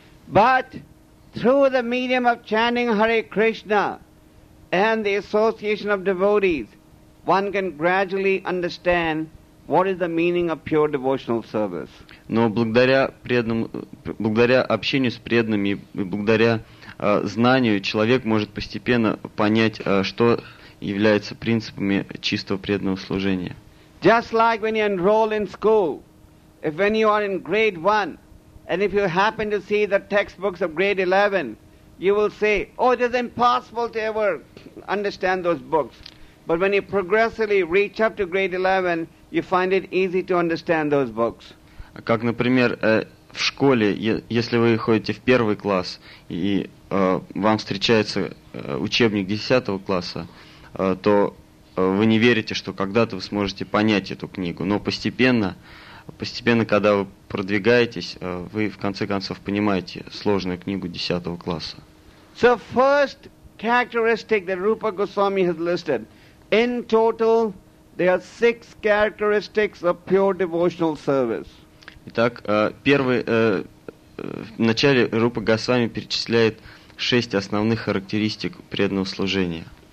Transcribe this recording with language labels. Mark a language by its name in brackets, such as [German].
[English] But through the medium of chanting Hare Krishna and the association of devotees, one can gradually understand what is the meaning of pure devotional service. [Russian] Но благодаря общению с преданными и благодаря знанию человек может постепенно понять, что являются принципами чистого преданного служения. [English] Just like when you enroll in school, if when you are in grade 1, and if you happen to see the textbooks of grade 11, you will say, oh, it is impossible to ever understand those books. But when you progressively reach up to grade 11, you find it easy to understand those books. [Russian] Как, например, в школе, если вы ходите в первый класс, и вам встречается учебник 10 класса, то вы не верите, что когда-то вы сможете понять эту книгу. Но постепенно, когда вы продвигаетесь, вы в конце концов понимаете сложную книгу 10 класса. [English] So first characteristic that Rupa Goswami has listed, in total, there are 6 characteristics of pure devotional service. [Russian] Итак, первый, в начале Рупа Госвами перечисляет 6 основных характеристик преданного служения.